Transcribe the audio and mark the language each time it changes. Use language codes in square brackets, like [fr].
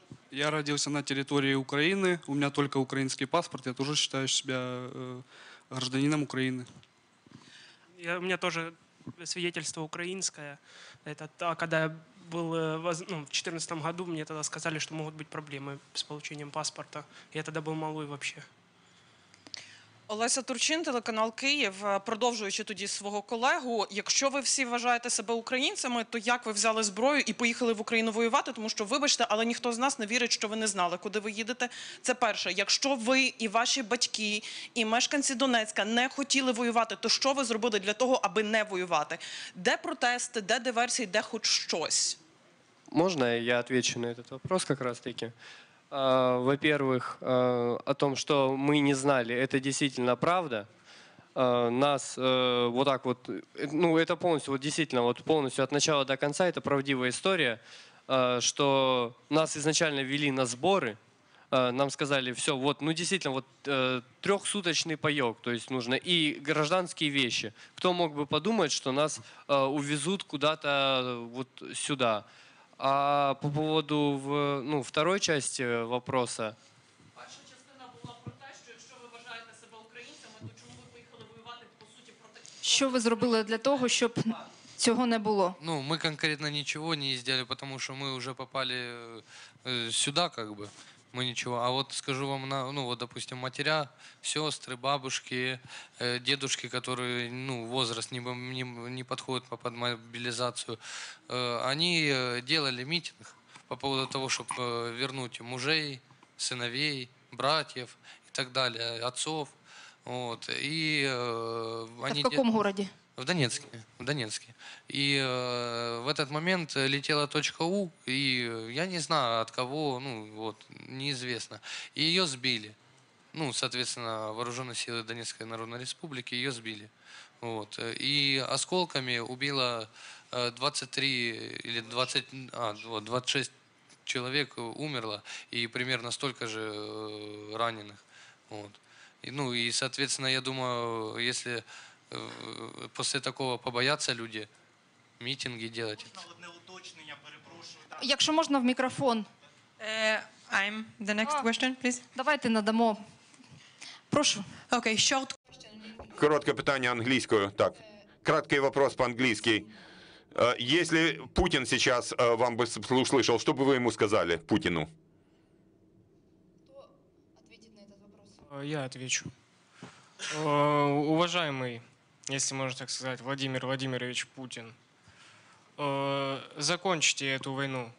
[ru] Я родился на территории Украины, у меня только украинский паспорт, я тоже считаю себя гражданином Украины. У меня тоже свидетельство украинское. Это, а когда я был, ну, в 2014 году, мне тогда сказали, что могут быть проблемы с получением паспорта. Я тогда был малой вообще. [uk] Олеся Турчин, телеканал «Київ». Продовжуючи тоді свого колегу, якщо ви всі вважаєте себе українцями, то як ви взяли зброю і поїхали в Україну воювати? Тому що, вибачте, але ніхто з нас не вірить, що ви не знали, куди ви їдете. Це перше. Якщо ви і ваші батьки, і мешканці Донецька не хотіли воювати, то що ви зробили для того, аби не воювати? Де протести, де диверсії, де хоч щось? Можна я відповім на цей питання якраз таки? [ru] Во-первых, о том, что мы не знали, это действительно правда. Нас вот так вот, ну, это полностью, вот действительно, вот полностью от начала до конца, это правдивая история, что нас изначально вели на сборы, нам сказали, все, вот, ну, действительно, вот трехсуточный паёк, то есть нужно, и гражданские вещи. Кто мог бы подумать, что нас увезут куда-то вот сюда? А по поводу второй части вопроса. [uk] Перша частина була про те, що якщо ви вважаєте себе українцями, то чому ви поїхали воювати по суті проти? Що ви зробили для того, щоб цього не було? Ну, ми конкретно нічого не зробили, тому що ми вже попали сюди, як би. [ru] Мы ничего. А вот скажу вам, допустим, матеря, сестры, бабушки, дедушки, которые, возраст не подходит под мобилизацию, они делали митинг по поводу того, чтобы вернуть мужей, сыновей, братьев и так далее, отцов. Вот. И они в каком городе? В Донецке. И в этот момент летела точка У, и я не знаю от кого, неизвестно. И ее сбили. Соответственно, вооруженные силы Донецкой Народной Республики ее сбили. Вот. И осколками убило 23 или 26 человек умерло, и примерно столько же раненых. Вот. И соответственно, я думаю, если после такого побояться люди [uk] мітинги [ru] делать. [uk] Одне уточнення, перепрошую. Якщо можна в мікрофон. [en] I'm the next question, please. [uk] Давайте надамо. Прошу. [en] Okay, short question. [uk] Коротке питання англійською. Так. [ru] Краткий вопрос по-англійськи. Если Путин сейчас вам бы слышал, что бы вы ему сказали Путину? Кто ответит на этот вопрос? Я отвечу. Уважаемый, если можно так сказать, Владимир Владимирович Путин, закончите эту войну.